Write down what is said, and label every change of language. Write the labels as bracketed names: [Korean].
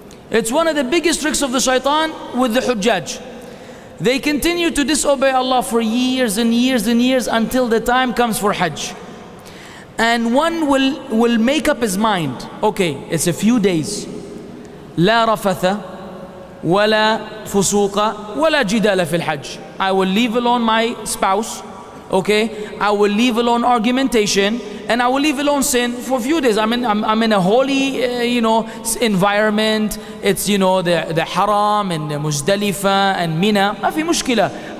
[English] It's one of the biggest tricks of the shaitan with the Hujjaj. They continue to disobey Allah for years and years and years until the time comes for Hajj. And one will make up his mind, okay, it's a few days. [Arabic] لا رفث ولا فسوق ولا جدال في الحج. [English] I will leave alone my spouse, okay? I will leave alone argumentation, and I will leave alone sin for a few days. I'm in a holy, environment. It's, the Haram and the Muzdalifa and Mina. Nafi mushkila.